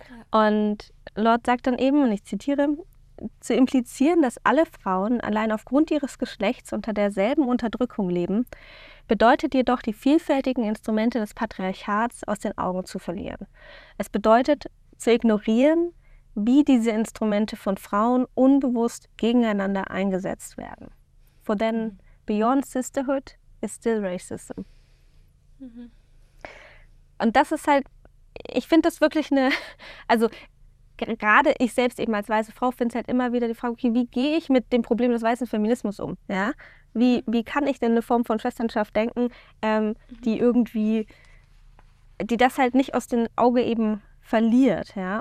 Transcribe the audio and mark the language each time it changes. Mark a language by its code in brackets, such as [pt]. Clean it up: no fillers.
[de] Und Lord sagt dann eben, und ich zitiere, zu implizieren, dass alle Frauen allein aufgrund ihres Geschlechts unter derselben Unterdrückung leben, bedeutet jedoch, die vielfältigen Instrumente des Patriarchats aus den Augen zu verlieren. Es bedeutet, zu ignorieren, wie diese Instrumente von Frauen unbewusst gegeneinander eingesetzt werden. [en] For then, beyond sisterhood is still racism. Mhm. [de] Und das ist halt, ich finde das wirklich eine, also gerade ich selbst eben als weiße Frau finde es halt immer wieder die Frage, okay, wie gehe ich mit dem Problem des weißen Feminismus um? Ja? Wie kann ich denn eine Form von Schwesternschaft denken, die irgendwie, die das halt nicht aus dem Auge eben verliert, ja.